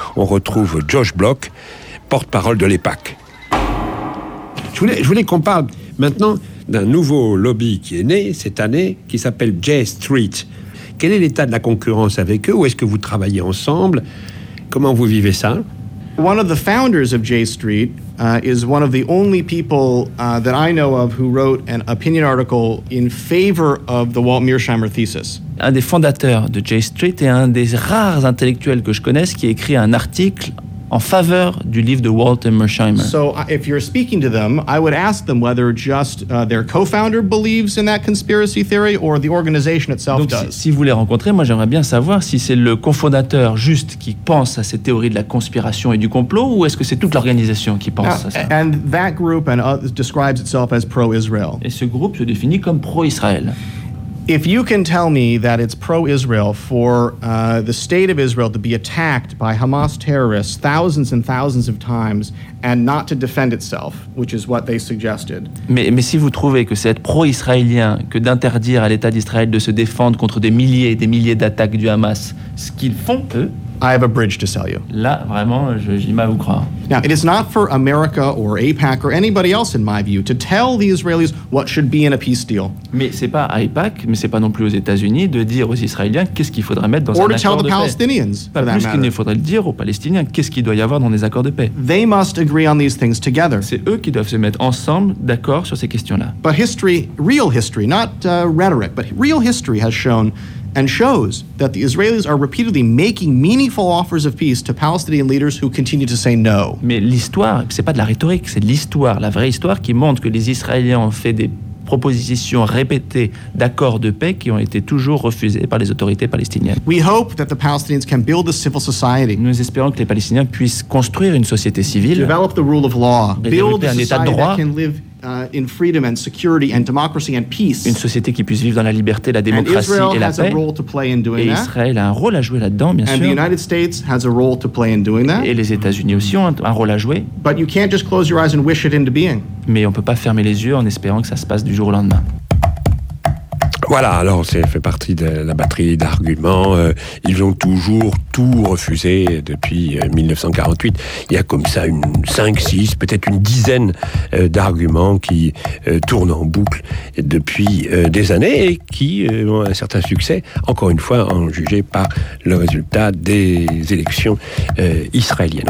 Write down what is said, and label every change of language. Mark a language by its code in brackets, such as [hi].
[fr] On retrouve Josh Block, porte-parole de l'EPAC. Je voulais qu'on parle maintenant d'un nouveau lobby qui est né cette année, qui s'appelle J Street. Quel est l'état de la concurrence avec eux? Où est-ce que vous travaillez ensemble? Comment vous vivez ça? [en] One of the founders of J Street is one of the only people that I know of who wrote an opinion article in favor of the Walt Mearsheimer thesis. [fr] Un des fondateurs de J Street est un des rares intellectuels que je connaisse qui a écrit un article en faveur du livre de Walt Mearsheimer. [en] So if you're speaking to them, I would ask them whether just their co-founder believes in that conspiracy theory or the organization itself [fr] Donc, [en] does. [fr] Si vous les rencontrez, moi j'aimerais bien savoir si c'est le cofondateur juste qui pense à cette théorie de la conspiration et du complot ou est-ce que c'est toute l'organisation qui pense à ça. [en] And that group and describes itself as pro-Israel. [fr] Et ce groupe se définit comme pro-Israël. [en] If you can tell me that it's pro-Israel for the state of Israel to be attacked by Hamas terrorists thousands and thousands of times and not to defend itself, which is what they suggested. [fr] Mais si vous trouvez que c'est être pro-israélien que d'interdire à l'État d'Israël de se défendre contre des milliers et des milliers d'attaques du Hamas, ce qu'ils font, eux, [en] I have a bridge to sell you. [fr] Là, vraiment, j'ai mal à vous croire. [en] Now, it is not for America or AIPAC or anybody else, in my view, to tell the Israelis what should be in a peace deal. [fr] Mais c'est pas AIPAC, mais c'est pas non plus aux États-Unis de dire aux Israéliens qu'est-ce qu'il faudrait mettre dans un accord de paix. [en] Or to tell the Palestinians, [fr] pas [en] for that [fr] plus qu'il ne faudrait le dire aux Palestiniens qu'est-ce qu'il doit y avoir dans des accords de paix. [en] They must agree on these things together. [fr] C'est eux qui doivent se mettre ensemble d'accord sur ces questions-là. [en] But history, real history, not rhetoric, but real history has shown and shows that the Israelis are repeatedly making meaningful offers of peace to Palestinian leaders who continue to say no. [fr] Mais l'histoire, c'est pas de la rhétorique, c'est l'histoire, la vraie histoire qui montre que les Israéliens ont fait des propositions répétées d'accords de paix qui ont été toujours refusées par les autorités palestiniennes. [en] We hope that the Palestinians can build a civil society. [fr] Nous espérons que les Palestiniens puissent construire une société civile. [en] Develop the rule of law. Build [fr] un état de droit. [en] In freedom and security and democracy and peace. [fr] Une société qui puisse vivre dans la liberté, la démocratie et la paix. Et Israël a un rôle à jouer là-dedans, bien sûr. [en] And the United States has a role to play in doing that. [fr] Et les États-Unis aussi ont un rôle à jouer. [en] But you can't just close your eyes and wish it into being. [fr] Mais on peut pas fermer les yeux en espérant que ça se passe du jour au lendemain. Voilà, alors c'est fait partie de la batterie d'arguments. Ils ont toujours tout refusé depuis 1948. Il y a comme ça une 5, 6, peut-être une dizaine d'arguments qui tournent en boucle depuis des années et qui ont un certain succès, encore une fois, en jugé par le résultat des élections israéliennes.